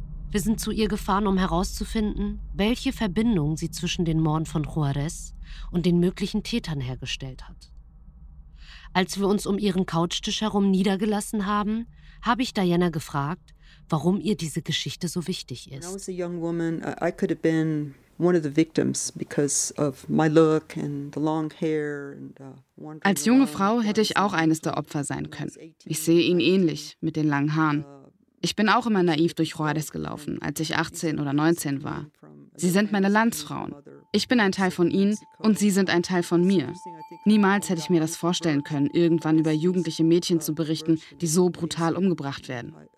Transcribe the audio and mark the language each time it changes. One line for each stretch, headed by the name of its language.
German: Wir sind zu ihr gefahren, um herauszufinden, welche Verbindung sie zwischen den Morden von Juarez und den möglichen Tätern hergestellt hat. Als wir uns um ihren Couchtisch herum niedergelassen haben, habe ich Diana gefragt, warum ihr diese Geschichte so wichtig ist.
English: I was a young woman. I could have been one of the victims because of my look and the long hair and
German: als junge Frau hätte ich auch eines der Opfer sein können. Ich sehe ihn ähnlich, mit den langen Haaren. Ich bin auch immer naiv durch Juarez gelaufen, als ich 18 oder 19 war. Sie sind meine Landsfrauen. Ich bin ein Teil von ihnen und sie sind ein Teil von mir. Niemals hätte ich mir das vorstellen können, irgendwann über jugendliche Mädchen zu berichten, die so brutal umgebracht werden.